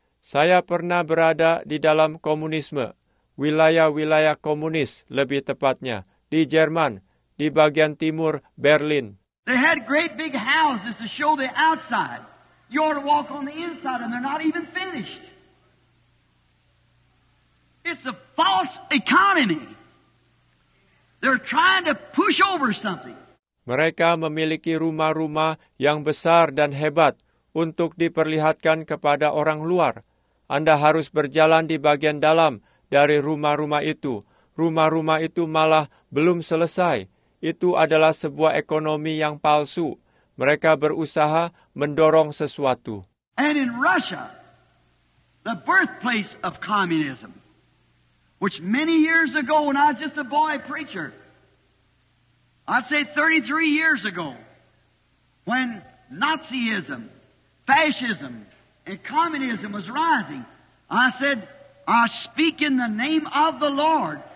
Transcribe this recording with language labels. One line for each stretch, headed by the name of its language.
Indonesian: Saya pernah berada di dalam komunisme, wilayah-wilayah komunis lebih tepatnya, di Jerman, di bagian timur Berlin.
English: They had great big houses to show the outside. You ought to walk on the inside and they're not even finished. It's a false economy. They're trying to push over something.
Indonesian: Mereka memiliki rumah-rumah yang besar dan hebat untuk diperlihatkan kepada orang luar. Anda harus berjalan di bagian dalam dari rumah-rumah itu. Rumah-rumah itu malah belum selesai. Itu adalah sebuah ekonomi yang palsu. Mereka berusaha mendorong sesuatu.
English: And in Russia, the birthplace of communism, which many years ago when I was just a boy preacher, I'd say 33 years ago, when Nazism, fascism, and communism was rising, I said, I speak in the name of the Lord.